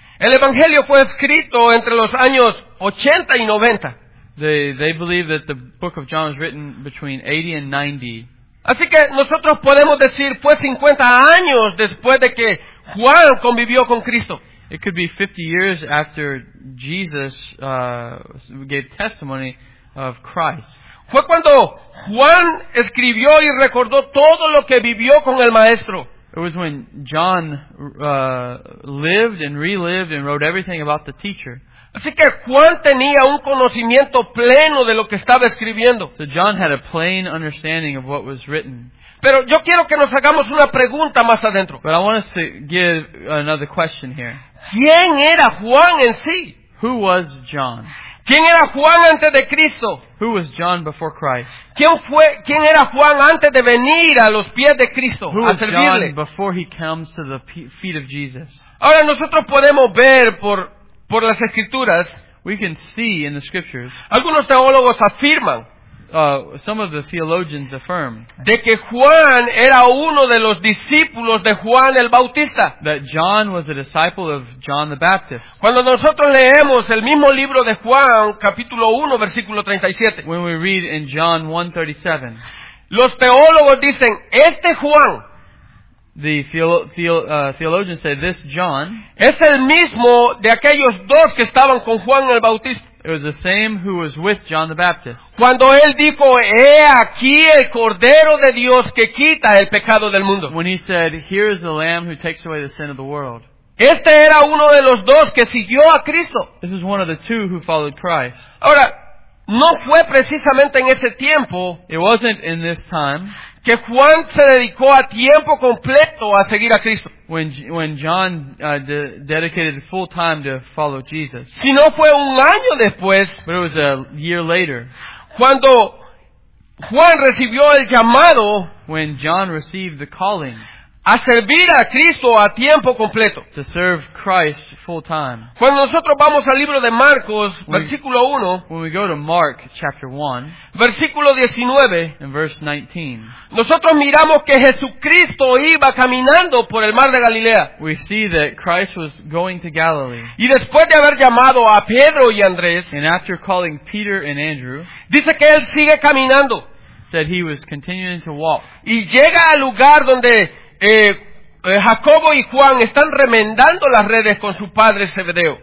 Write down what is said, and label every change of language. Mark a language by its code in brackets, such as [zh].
[es] el Evangelio fue escrito entre los años 80 y 90. [en] They believe that the book of John was written between 80 and 90. [es] Así que nosotros podemos decir fue 50 años después de que Juan convivió con Cristo. [en] It could be 50 years after Jesus gave testimony of Christ. [es] Fue cuando Juan escribió y recordó todo lo que vivió con el Maestro. [en] It was when John lived and relived and wrote everything about the teacher. [es] Así que Juan tenía un conocimiento pleno de lo que estaba escribiendo. [en] So John had a plain understanding of what was written. [es] Pero yo quiero que nos hagamos una pregunta más adentro. [en] But I want us to give another question here. [es] ¿Quién era Juan en sí? [en] Who was John? [es] ¿Quién era Juan antes de Cristo? [en] Who was John before Christ? [es] ¿Quién era Juan antes de venir a los pies de Cristo [en] who [es] a servirle? [en] Was John before he comes to the feet of Jesus? [es] Ahora nosotros podemos ver por las escrituras, [en] we can see in the scriptures, [es] algunos teólogos afirman, [en] some of the theologians affirm, [es] de que Juan era uno de los discípulos de Juan el Bautista. [en] That John was a disciple of John the Baptist. [es] Cuando nosotros leemos el mismo libro de Juan, capítulo 1, versículo 37, [en] when we read in John 1:37, [es] los teólogos dicen, este Juan, [en] the theologian said, "This John [es] es el mismo de aquellos dos que estaban con Juan el Bautista. [en] It was the same who was with John the Baptist. [es] Cuando él dijo, 'He aquí el Cordero de Dios que quita el pecado del mundo.' [en] When he said, 'Here is the Lamb who takes away the sin of the world.' [es] Este era uno de los dos que siguió a Cristo. [en] This is one of the two who followed Christ. [es] Ahora, no fue precisamente en ese tiempo. [en] It wasn't in this time." [es] Que Juan se dedicó a tiempo completo a seguir a Cristo. [en] When John dedicated full time to follow Jesus. [es] Si no fue un año después. [en] But it was a year later. [es] Cuando Juan recibió el llamado. [en] When John received the calling. [es] A servir a Cristo a tiempo completo. [en] To serve Christ full time. [es] Cuando nosotros vamos al libro de Marcos, versículo 1. [en] When we go to Mark, chapter 1. [es] Versículo 19. [en] In verse 19. [es] Nosotros miramos que Jesucristo iba caminando por el mar de Galilea. [en] We see that Christ was going to Galilee. [es] Y después de haber llamado a Pedro y Andrés. [en] And after calling Peter and Andrew. [es] Dice que él sigue caminando. [en] Said he was continuing to walk. [es] Y llega al lugar donde Jacobo y Juan están remendando las redes con su padre Zebedeo.